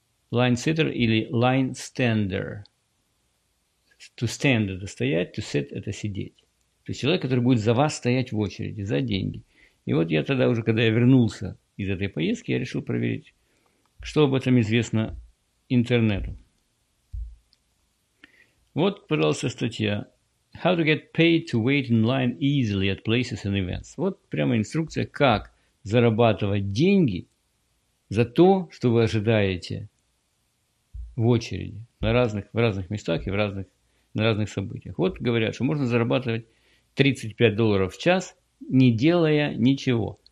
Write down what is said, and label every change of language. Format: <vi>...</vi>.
<ru>Лайн-сидер или лайн-стендер.</ru> <en>To stand</en> <ru>– это стоять,</ru> <en>to sit</en> <ru>– это сидеть. То есть человек, который будет за вас стоять в очереди, за деньги. И вот я тогда уже, когда я вернулся из этой поездки, я решил проверить, что об этом известно интернету. Вот, пожалуйста, статья.</ru> <en>How to get paid to wait in line easily at places and events.</en> <ru>Вот прямо инструкция, как зарабатывать деньги за то, что вы ожидаете в очереди в разных местах и на разных событиях. Вот говорят, что можно зарабатывать $35 в час, не делая ничего.</ru>